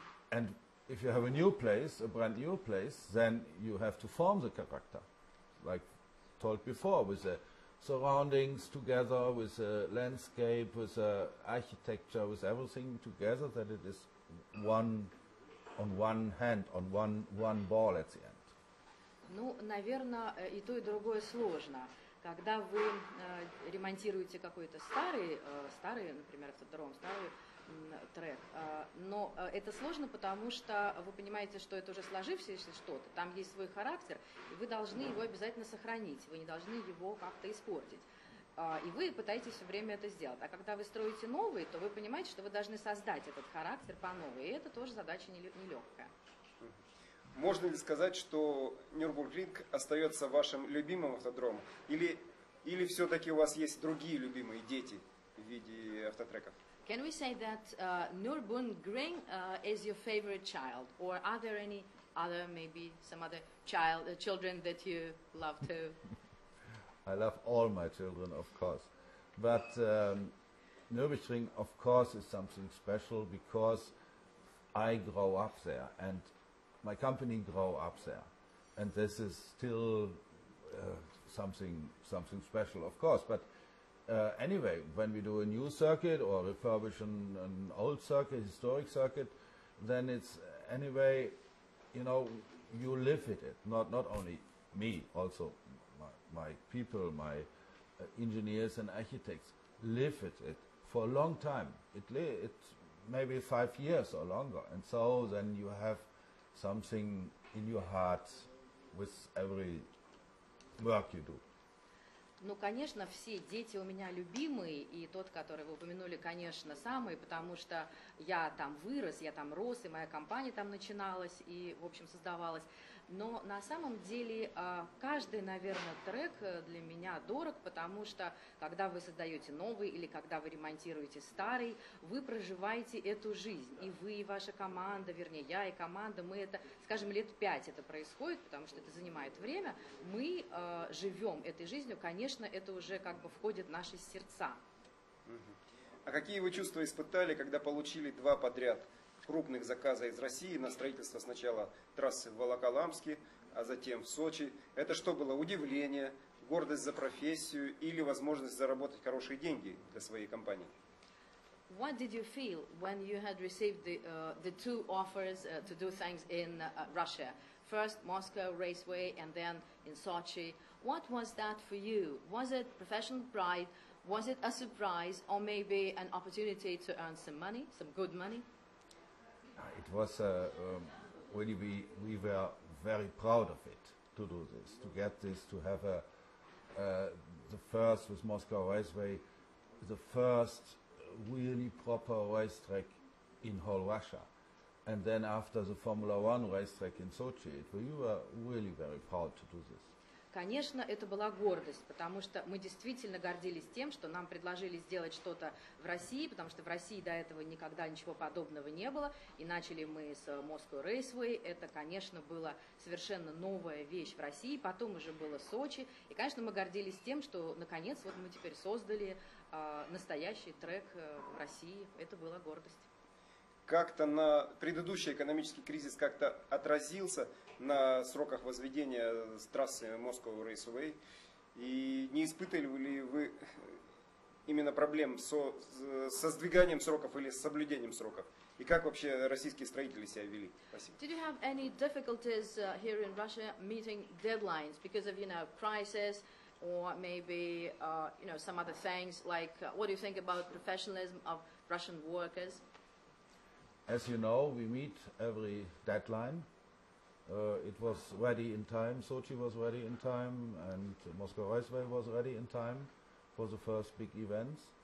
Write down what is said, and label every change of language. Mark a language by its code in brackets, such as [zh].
[en] And if you have a new place, a brand new place, then you have to form the character, like told before, with the surroundings together, with the landscape, with the architecture, with everything together, that it is one on one hand, on one ball at the end. [ru] Ну, наверное, и то, и другое сложно. Когда вы ремонтируете какой-то старый, например, автодром, старый трек, но это сложно, потому что вы понимаете, что это уже сложившееся что-то, там есть свой характер, и вы должны его обязательно сохранить, вы не должны его как-то испортить. И вы пытаетесь все время это сделать. А когда вы строите новый, то вы понимаете, что вы должны создать этот характер по новой. И это тоже задача нелегкая. Можно ли сказать, что Нюрбургринг остается вашим любимым автодромом? Или, или все-таки у вас есть другие любимые дети в виде автотреков? [en] Can we say that Nürburgring is your favorite child? Or are there any other, maybe some other child, children that you love to? I love all my children, of course. But Nürburgring, of course, is something special because I grow up there and my company grow up there. And this is still something special, of course. But anyway, when we do a new circuit or refurbish an old circuit, historic circuit, then it's anyway, you know, you live with it. Not only me, also my people, my engineers and architects live with it for a long time. It maybe 5 years or longer, and so then you have something in your heart with every work you do. [ru] Ну, конечно, все дети у меня любимые, и тот, который вы упомянули, конечно, самый, потому что я там вырос, я там рос, и моя компания там начиналась и, в общем, создавалась. Но на самом деле каждый, наверное, трек для меня дорог, потому что когда вы создаете новый или когда вы ремонтируете старый, вы проживаете эту жизнь. И вы, и ваша команда, вернее, я и команда, мы это, скажем, лет 5 это происходит, потому что это занимает время. Мы живем этой жизнью, конечно, это уже как бы входит в наши сердца. А какие вы чувства испытали, когда получили 2 подряд крупных заказа из России на строительство сначала трассы в Волоколамске, а затем в Сочи? Это что было, удивление, гордость за профессию или возможность заработать хорошие деньги для своей компании? [en] What did you feel when you had received the two offers to do things in Russia? First Moscow Raceway and then in Sochi. What was that for you? Was it professional pride? Was it a surprise or maybe an opportunity to earn some money, some good money? It was really, we were very proud of it, to do this, to get this, to have the first with Moscow Raceway, the first really proper racetrack in whole Russia. And then after the Formula One racetrack in Sochi, we were really very proud to do this. [ru] Конечно, это была гордость, потому что мы действительно гордились тем, что нам предложили сделать что-то в России, потому что в России до этого никогда ничего подобного не было. И начали мы с Moscow Raceway. Это, конечно, была совершенно новая вещь в России. Потом уже было Сочи. И, конечно, мы гордились тем, что, наконец, вот мы теперь создали настоящий трек в России. Это была гордость. Как-то на предыдущий экономический кризис как-то отразился на сроках возведения трассы Moscow Raceway, и не испытывали вы именно проблем со сдвиганием сроков или с соблюдением сроков? И как вообще российские строители себя вели? Спасибо. [en] Did you have any difficulties here in Russia meeting deadlines because of, you know, prices or maybe you know, some other things, like what do you think about professionalism of Russian workers? As you know, we meet every deadline. It was ready in time, Sochi was ready in time, and Moscow Raceway was ready in time for the first big events.